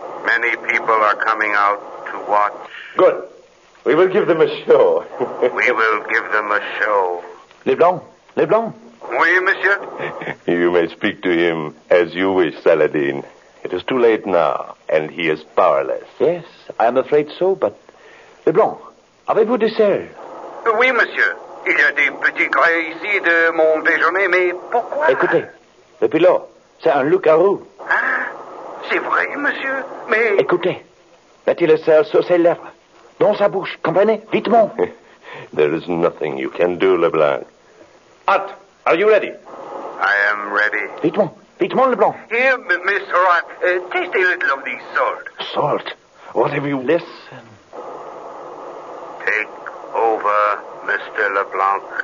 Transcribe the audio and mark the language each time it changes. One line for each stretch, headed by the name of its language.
English: Many people are coming out to watch. Good. We will give them a show. We will give them a show. Leblanc, Leblanc.
French: Oui, monsieur.
English: You may speak to him as you wish, Saladin. It is too late now, and he is powerless. Yes, I am afraid so, but...
French: Leblanc, avez-vous dessert? Oui, monsieur. Il y a des petits grains ici de mon déjeuner, mais pourquoi? Écoutez, le pilote, c'est un loup-garou. Ah, c'est vrai, monsieur, mais... Écoutez, mettez le sel sur ses lèvres, dans sa bouche, comprenez? Vitement.
English: There is nothing you can do, Leblanc. Hutt, are you ready? I am ready.
French: Vitement. Vitement, Leblanc.
English: Here, Mr. Hutt, taste a little of this salt. Salt? What have you... Listen. Take over, Mr. Leblanc.